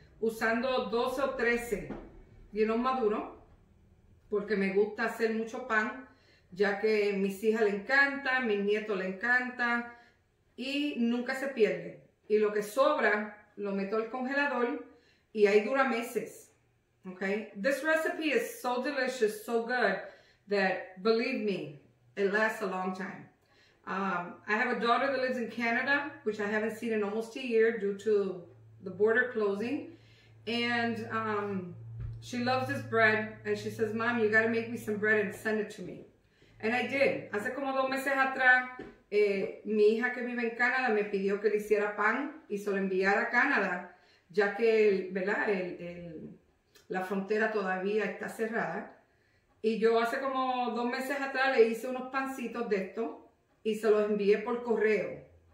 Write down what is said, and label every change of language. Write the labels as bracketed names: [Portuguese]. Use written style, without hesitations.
[Spanish] Usando 12 o 13 guineos maduros, porque me gusta hacer mucho pan, ya que a mis hijas le encanta, a mis nietos le encanta y nunca se pierde. Y lo que sobra lo meto al congelador y ahí dura meses. [English] Okay? This recipe is so delicious, so good that believe me, it lasts a long time. I have a daughter that lives in Canada, which I haven't seen in almost a year due to the border closing. And she loves this bread, and she says, "Mom, you gotta make me some bread and send it to me." And I did. [Spanish] Hace como 2 meses atrás, mi hija que vive en Canadá me pidió que le hiciera pan y se lo enviara a Canadá, ya que, ¿verdad? La frontera todavía está cerrada. Y yo hace como 2 meses atrás le hice unos pancitos de esto y se los envié por correo.